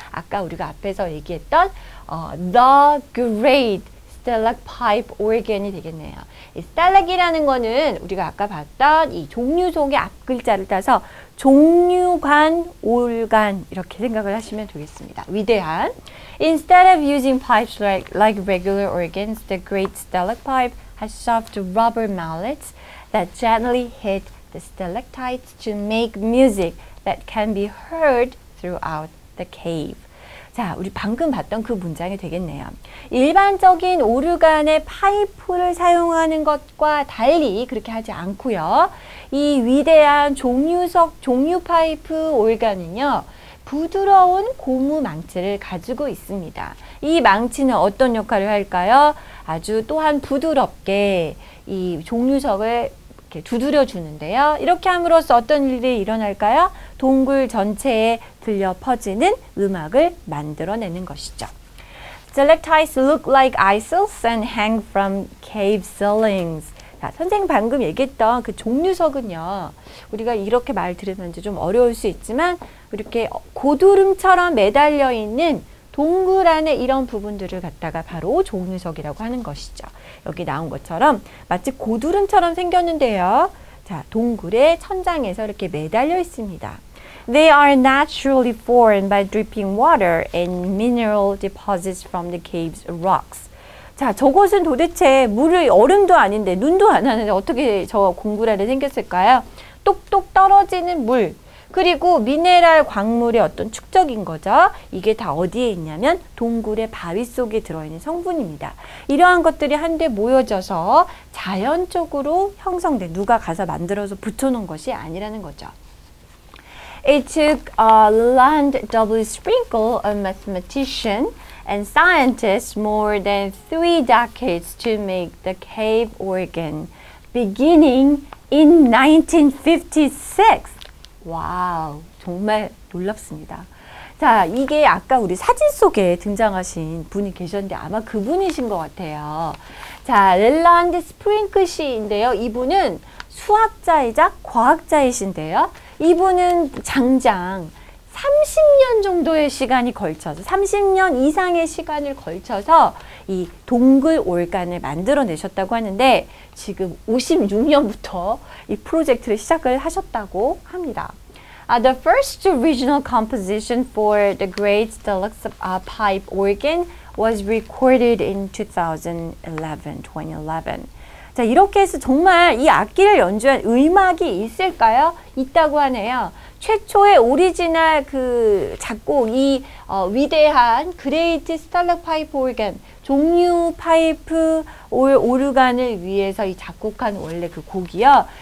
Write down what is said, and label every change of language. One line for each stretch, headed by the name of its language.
Korean: 아까 우리가 앞에서 얘기했던 The Great Stalactite Organ이 되겠네요. 이 스탈락이라는 거는 우리가 아까 봤던 이 종류석의 앞글자를 따서 종류관 오르간 이렇게 생각을 하시면 되겠습니다. 위대한.
English: Instead of using pipes like regular organs, the great stalactite has soft rubber mallets that gently hit the stalactites to make music that can be heard throughout the cave.
Korean: 자, 우리 방금 봤던 그 문장이 되겠네요. 일반적인 오르간의 파이프를 사용하는 것과 달리 그렇게 하지 않고요. 이 위대한 종류석 종류 파이프 오르간은요. 부드러운 고무 망치를 가지고 있습니다. 이 망치는 어떤 역할을 할까요? 아주 또한 부드럽게 이 종류석을 이렇게 두드려 주는데요. 이렇게 함으로써 어떤 일이 일어날까요? 동굴 전체에 들려 퍼지는 음악을 만들어내는 것이죠.
English: Stalactites look like icicles and hang from cave ceilings.
Korean: 자, 선생님 방금 얘기했던 그 종류석은요. 우리가 이렇게 말 들으면서 좀 어려울 수 있지만 이렇게 고드름처럼 매달려 있는 동굴 안에 이런 부분들을 갖다가 바로 종류석이라고 하는 것이죠. 여기 나온 것처럼 마치 고드름처럼 생겼는데요. 자, 동굴의 천장에서 이렇게 매달려 있습니다.
English: They are naturally formed by dripping water and mineral deposits from the cave's rocks.
Korean: 자, 저곳은 도대체 물을 얼음도 아닌데 눈도 안 하는데 어떻게 저 동굴 안에 생겼을까요? 똑똑 떨어지는 물 그리고 미네랄 광물의 어떤 축적인 거죠. 이게 다 어디에 있냐면 동굴의 바위 속에 들어있는 성분입니다. 이러한 것들이 한데 모여져서 자연적으로 형성된 누가 가서 만들어서 붙여놓은 것이 아니라는 거죠.
English: It took a land double sprinkle of mathematician and scientists more than three decades to make the cave organ beginning in 1956.
Korean: 와우, 정말 놀랍습니다. 자, 이게 아까 우리 사진 속에 등장하신 분이 계셨는데 아마 그분이신 것 같아요. 자, 렐란드 스프링크 씨인데요. 이분은 수학자이자 과학자이신데요. 이분은 장장 30년 정도의 시간이 걸쳐서 30년 이상의 시간을 걸쳐서 이 동굴 올간을 만들어내셨다고 하는데 지금 56년부터 이 프로젝트를 시작을 하셨다고 합니다.
English: The first original composition for the Great Stalactite Pipe Organ was recorded in 2011.
Korean: 자, 이렇게 해서 정말 이 악기를 연주한 음악이 있을까요? 있다고 하네요. 최초의 오리지널 그 작곡, 이 위대한 Great Stalactite Organ, 종류 파이프 오르간을 위해서 이 작곡한 원래 그 곡이요.